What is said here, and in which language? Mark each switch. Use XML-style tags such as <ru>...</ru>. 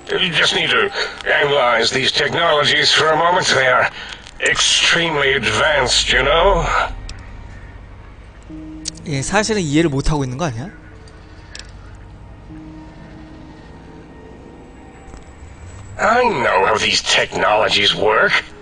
<en>You just need to analyze these technologies for a moment. They are extremely advanced, you know?</en> <ko>예, 사실은 이해를 못하고 있는 거 아니야?</ko> <en>아, I know how these technologies work.</en>